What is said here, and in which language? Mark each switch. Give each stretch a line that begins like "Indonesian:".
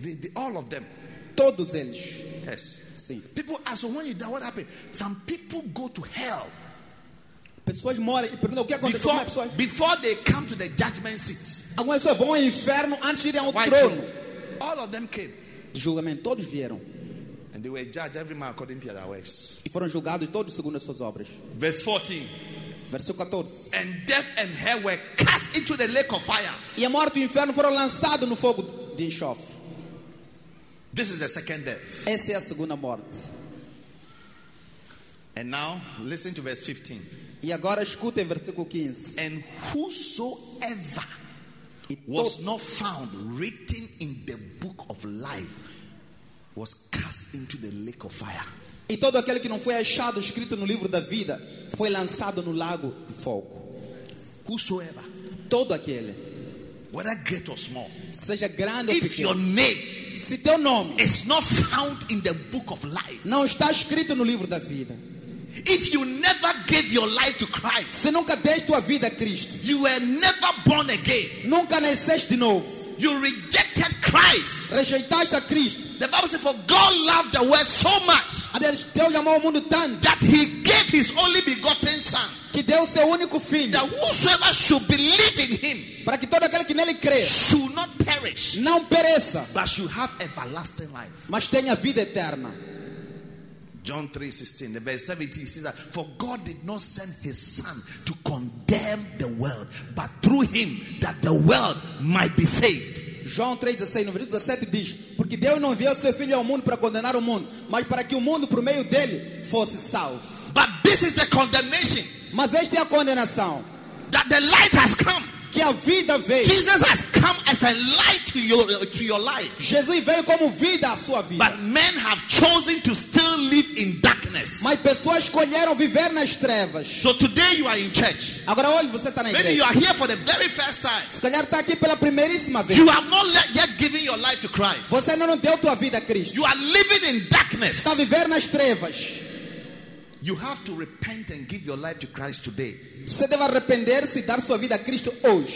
English: The all of them.
Portuguese: Todos eles.
English: Yes.
Portuguese: Sim.
English: People ask, when you die, what happened? Some people go to hell.
Portuguese: Pessoas morrem e perguntam o que aconteceu
English: before,
Portuguese: com as pessoas.
English: Before they come to the judgment seat.
Portuguese: Algumas pessoas vão ao inferno antes de irem ao
English: white
Portuguese: trono.
English: All of them came.
Portuguese: De julgamento, todos vieram.
English: And they were judged every man according to their works.
Portuguese: E foram julgados todos segundo as suas obras.
English: Verse 14.
Portuguese: Versículo 14.
English: And death and hell were cast into the lake of fire.
Portuguese: E a morte e o inferno foram lançados no fogo de enxofre.
English: This is the second death.
Portuguese: Essa é a segunda morte.
English: And now, listen to verse 15.
Portuguese: E agora escutem versículo 15.
English: And whosoever was not found written in the book of life was cast into the lake of fire.
Portuguese: E todo aquele que não foi achado escrito no livro da vida foi lançado no lago de fogo.
English: Whosoever.
Portuguese: Todo aquele.
English: Whether great or small.
Portuguese: Seja grande
English: if
Portuguese: ou pequeno.
English: If your name.
Portuguese: Se teu nome.
English: Is not found in the book of life.
Portuguese: Não está escrito no livro da vida.
English: If you never gave your life to Christ.
Portuguese: Se nunca deste tua vida a Cristo.
English: You were never born again.
Portuguese: Nunca nasceste de novo.
English: You rejected Christ.
Portuguese: Rejeitaste a Cristo.
English: The Bible says, for God loved the world so much.
Portuguese: Deus amou o mundo tanto.
English: That he gave his only begotten son.
Portuguese: Que deu seu único filho.
English: That whosoever should believe in him.
Portuguese: Para que todo aquele que nele crê.
English: Should not perish.
Portuguese: Não pereça.
English: But should have everlasting life.
Portuguese: Mas tenha vida eterna.
English: John 3:16, the verse 17 says that for God did not send his son to condemn the world, but through him that the world might be saved.
Portuguese: João 3:16, no versículo 17 diz, porque Deus não enviou seu filho ao mundo para condenar o mundo, mas para que o mundo por meio dele fosse salvo.
English: But this is the condemnation.
Portuguese: Mas esta é a condenação.
English: That the light has come.
Portuguese: Que a vida veio.
English: Jesus has come as a light to your life.
Portuguese: Jesus veio como vida à sua vida.
English: But men have chosen to still live in darkness.
Portuguese: Mas pessoas escolheram viver nas trevas.
English: So today you are in church.
Portuguese: Agora hoje você está na igreja.
English: Maybe you are here for the very first time.
Portuguese: Se calhar está aqui pela primeiríssima vez.
English: You have not yet given your life to Christ.
Portuguese: Você ainda não deu tua vida a Cristo.
English: You are living in darkness.
Portuguese: Está viver nas trevas.
English: You have to repent and give your life to Christ today.
Portuguese: Você deve arrepender-se e dar sua vida a Cristo hoje.